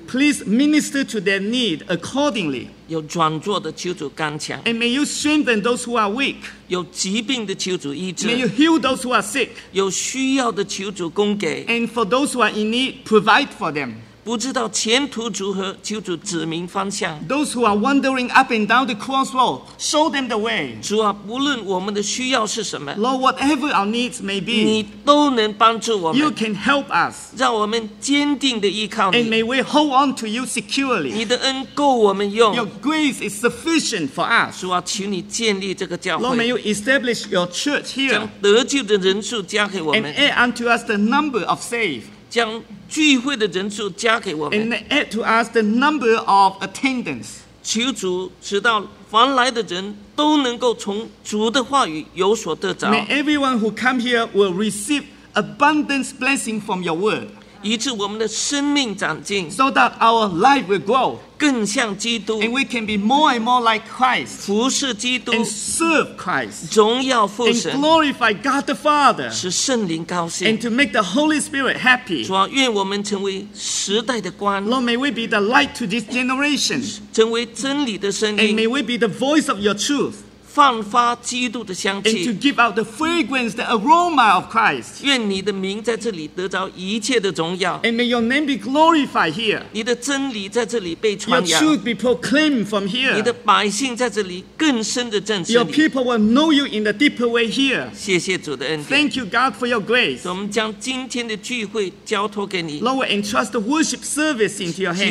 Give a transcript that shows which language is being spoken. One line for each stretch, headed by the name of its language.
English: please minister to their need accordingly，
Chinese: 有软弱的求主刚强，
English: and may you strengthen those who are weak，
Chinese: 有疾病的求主医治，
English: may you heal those who are sick，
Chinese: 有需要的求主供给，
English: and for those who are in need provide for them，
Chinese: 不知道前途如何，求主指明方向。
English: Those who are wandering up and down the crossroad, show them the way.
Chinese: 主啊，无论我们的需要是什么
English: ，Lord, whatever our needs may be,
Chinese: 你都能帮助我们。
English: You can help us.
Chinese: 让我们坚定地依靠你。
English: And may we hold on to you securely.
Chinese: 你的恩够我们用。
English: Your grace is sufficient for us.
Chinese: 主啊，求你建立这个教会。
English: Lord, may you establish your church here.
Chinese: 将得救的人数加给我们。
English: And add unto us the number of saved.
Chinese: 将聚会的人数加给我们
English: ，and add to us the number of attendants。
Chinese: 求主使到凡来的人都能够从主的话语有所得着。
English: May everyone who come here will receive abundance blessing from your word，
Chinese: 以致我们的生命长进
English: ，so that our life will grow，
Chinese: 更像基督
English: ，and we can be more and more like Christ，
Chinese: 服侍基督
English: ，and serve Christ，
Chinese: 荣耀父神
English: ，and glorify God the Father，
Chinese: 使圣灵高兴
English: ，and to make the Holy Spirit happy。
Chinese: 主啊，愿我们成为时代的光
English: ，Lord， may we be the light to this generation，
Chinese: 成为真理的声音
English: ，and may we be the voice of your truth。
Chinese: 放发基督的香气
English: ，and to give out the fragrance, the aroma of Christ.
Chinese: 愿你的名在这里得着一切的荣耀
English: ，and may your name be glorified here.
Chinese: 你的真理在这里被传扬
English: ，your truth be proclaimed from here.
Chinese: 你的百姓在这里更深的证实你
English: ，your people will know you in the deeper way here.
Chinese: 谢谢主的恩典
English: ，thank you God for your grace.
Chinese: 我们将今天的聚会交托给你
English: ，Lord, entrust the worship service into your hands.